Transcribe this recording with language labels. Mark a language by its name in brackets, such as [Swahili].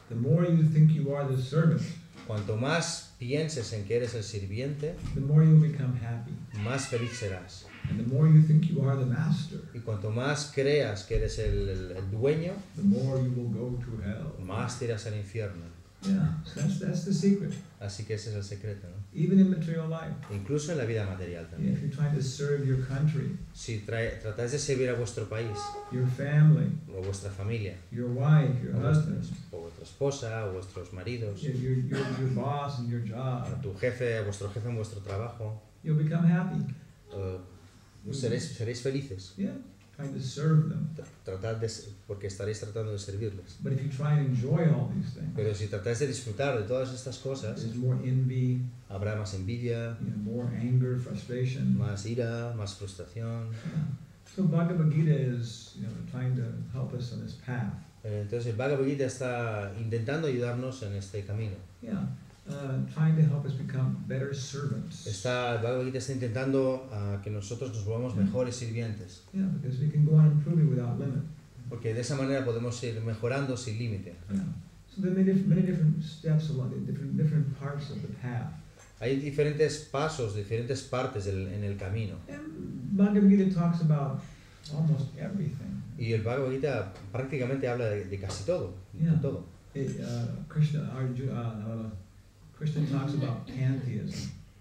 [English] The more you think you are the servant. [Spanish] Cuanto más pienses en que eres el sirviente, [English] the more you become happy. [Spanish] Más feliz serás. [English] And the more you think you are the master, [Spanish] y cuanto más creas que eres el dueño, [English] the more you will go to hell. [Spanish] Más te irás al infierno. [English] Yeah, that's the secret. [Spanish] Así que ese es el secreto, ¿no? [English] Even in material life. [Spanish] Incluso en la vida material también. [English] If you're trying to serve your country, [Spanish] si tratáis de servir a vuestro país, [English] your family, [Spanish] o vuestra familia, [English] your wife, your husband, [Spanish] o vuestra esposa, o vuestros maridos, [English] your boss and your job, [Spanish] a tu jefe, a vuestro jefe en vuestro trabajo, [English] you'll become happy. [Spanish] Seréis felices. [English] Yeah. Trying to serve them. [Spanish] Porque estaréis tratando de servirles. [English] But if you try and enjoy all these things, [Spanish] pero si tratáis de disfrutar de todas estas cosas, [English] there's more envy, [Spanish] habrá más envidia, [English] you know, more anger, frustration, [Spanish] más ira, más frustración. [English] So Bhagavad Gita is, you know, trying to help us on this path. [Spanish] Entonces el Bhagavad Gita está intentando ayudarnos en este camino. [English] Yeah. Trying to help us become better servants. [Spanish] Está el Bhagavad Gita intentando que nosotros nos volvamos mejores sirvientes. [English] Yeah, because we can go on improving without limit. [Spanish] Porque de esa manera podemos ir mejorando sin límite. [English] Yeah. So there are many different steps along the different parts of the path. [Spanish] Hay diferentes pasos, diferentes partes en el camino. [English] And Bhagavad Gita talks about almost everything. [Spanish] Y el Bhagavad Gita prácticamente habla de casi todo, [English] yeah, [Spanish] de todo. [English] Krishna talks about pantheism.